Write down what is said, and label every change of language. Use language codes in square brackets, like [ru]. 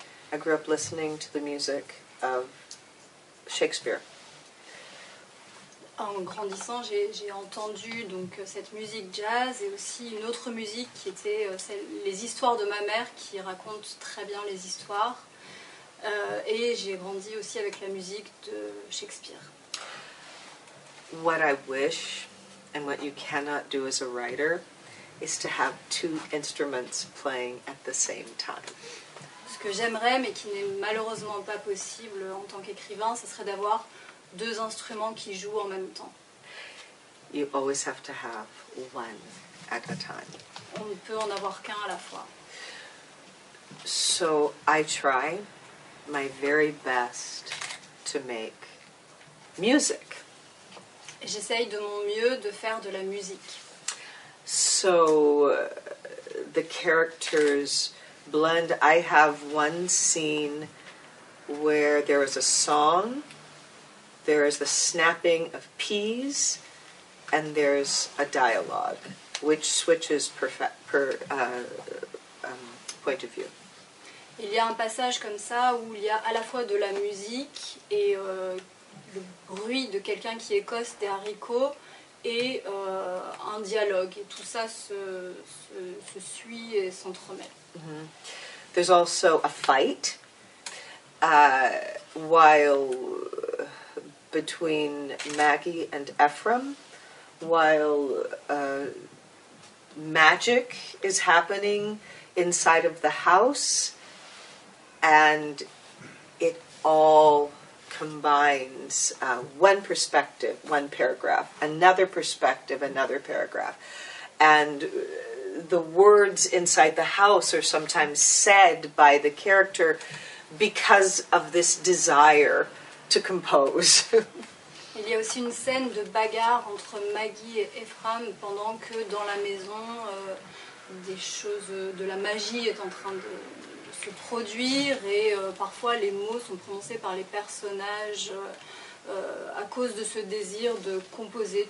[en] I grew up listening to the music of Shakespeare. [fr] En grandissant, j'ai entendu donc cette musique jazz et aussi une autre musique qui était celle, les histoires de ma mère qui raconte très bien les histoires. Et j'ai grandi aussi avec la musique de Shakespeare. [en] What I wish and what you cannot do as a writer is to have two instruments playing at the same time. [fr] Ce que j'aimerais mais qui n'est malheureusement pas possible en tant qu'écrivain, ce serait d'avoir deux instruments qui jouent en même temps. [en] You always have to have one at a time. [fr] On ne peut en avoir qu'un à la fois. [en] So I try my very best to make music. [fr] J'essaye de mon mieux de faire de la musique. [en] So the characters blend. I have one scene where there is a song, there is the snapping of peas, and there's a dialogue, which switches per point of view. [fr] Il y a un passage comme ça où il y a à la fois de la musique et le bruit de quelqu'un qui écosse des haricots et un dialogue. Et tout ça se suit et s'entremêle. Mm-hmm. [en] There's also a fight while between Maggie and Ephraim, while magic is happening inside of the house, and it all combines one perspective, one paragraph, another perspective, another paragraph. And the words inside the house are sometimes said by the character because of this desire to compose. [fr] Il y a aussi une scène de bagarre entre Maggie et Ephraim pendant que dans la maison, des choses de la magie est en train de se produire et parfois les mots sont prononcés par les personnages à cause de ce désir de composer.